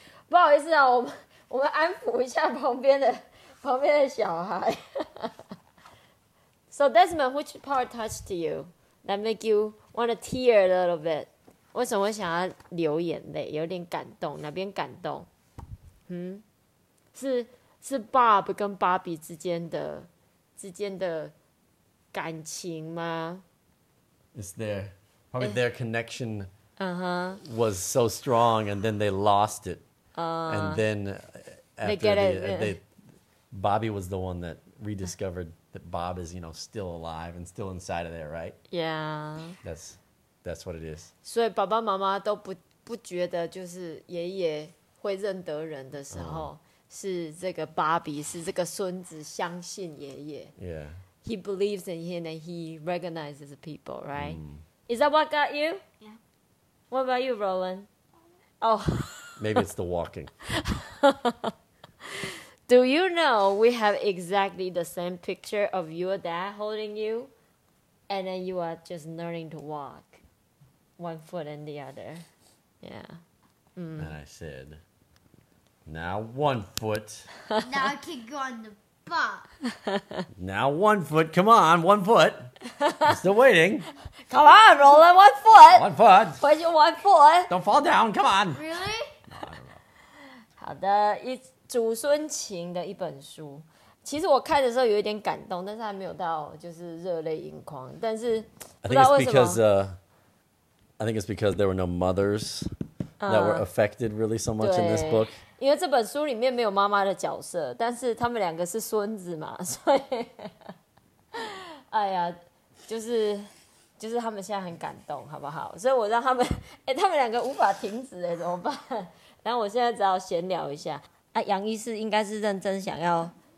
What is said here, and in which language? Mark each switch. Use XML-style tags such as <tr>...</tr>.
<zh>不好意思啊，我们安抚一下旁边的小孩。</zh> <en>So Desmond, which part touched you that make you want to tear a little bit?</en> <zh>为什么会想要流眼泪？有点感动，哪边感动？是 Bob 跟 Bobby 之间的感情吗</zh> <en>？Is there probably their connection? Uh-huh. Was so strong, and then they lost it. And then after they get it, Bobby was the one that rediscovered. That Bob is, you know, still alive and still inside of there, right? Yeah. That's what it is.</en> <zh>所以爸爸妈妈都不觉得就是爷爷会认得人的时候是这个 Bobby 是这个孙子相信爷爷。</zh> <en>Yeah. He believes in him and he recognizes people, right? Is that what got you? Yeah. What about you, Roland? Oh. Maybe it's the walking. Do you know we have exactly the same picture of your dad holding you? And then you are just learning to walk. One foot and the other. Yeah. And I said, now one foot. Now I can go on the bus. Now one foot. Come on, one foot. I'm still waiting. Come on, Roland, one foot. One foot. Put your one foot. Don't fall down, come on. Really? No, I don't know.</en> <zh>好的，祖孙情的一本书，其实我看的时候有一点感动，但是还没有到就是热泪盈眶。但是不知道为什么</zh> <en>I think it's because there were no mothers that were affected really so much in this book.</en> <zh>因为这本书里面没有妈妈的角色，但是他们两个是孙子嘛，所以哎呀，就是他们现在很感动，好不好？所以我让他们，他们两个无法停止，怎么办？然后我现在只好闲聊一下。啊，杨医师应该是认真想要。</zh>